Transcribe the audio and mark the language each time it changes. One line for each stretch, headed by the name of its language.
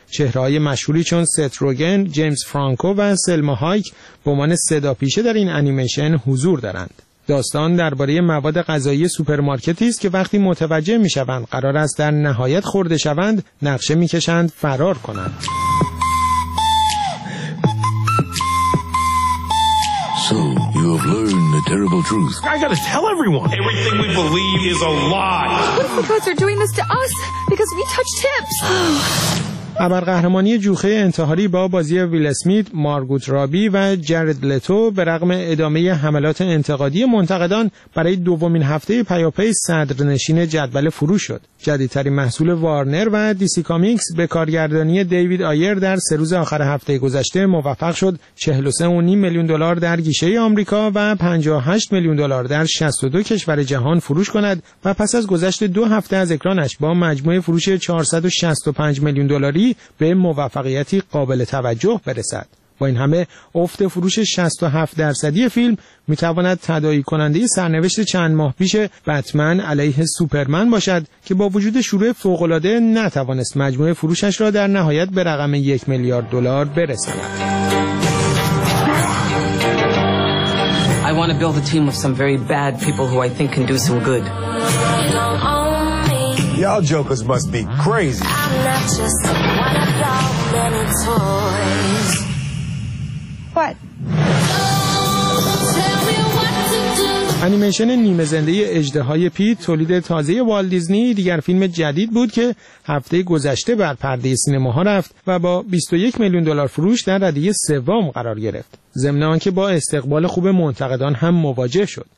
Persian: چهره‌های مشهوری چون ست روگن، جیمز فرانکو و سلما هایک به عنوان صداپیشه در این انیمیشن حضور دارند. داستان درباره مواد غذایی سوپرمارکتی است که وقتی متوجه می‌شوند قرار است در نهایت خورده شوند، نقشه می‌کشند فرار کنند.
English: So you have learned the terrible truth. I gotta tell everyone. Everything we believe is a lie. What if the gods are doing this to us because we touch tips?
Persian: ابرقهرمانی جوخه انتحاری با بازی ویل اسمیت، مارگوت رابی و جرد لتو به رغم ادامه حملات انتقادی منتقدان برای دومین هفته پیاپی صدرنشین جدول فروش شد. جدیدترین محصول وارنر و دیسی کامیکس به کارگردانی دیوید آیر در سه روز آخر هفته گذشته موفق شد 43.5 میلیون دلار در گیشه آمریکا و 58 میلیون دلار در 62 کشور جهان فروش کند و پس از گذشت دو هفته از اکرانش با مجموع فروش 465 میلیون دلار به موفقیتی قابل توجه برسد. با این همه افت فروش 67% فیلم میتواند تداعی کننده سرنوشت چند ماه پیش بتمن علیه سوپرمن باشد که با وجود شروع فوق‌العاده نتوانست مجموع فروشش را در نهایت به رقم 1 میلیارد دلار برساند.
English: I want to build a team of some very bad people who I think can do some good. Y'all jokers must be crazy. I'm not just one of y'all many toys. What?
Persian: انیمیشن نیمه زنده اژدهای پی تولید تازه والت دیزنی دیگر فیلم جدید بود که هفته گذشته بر پرده سینماها رفت و با 21 میلیون دلار فروش در ردیه سوم قرار گرفت، ضمن آنکه با استقبال خوب منتقدان هم مواجه شد.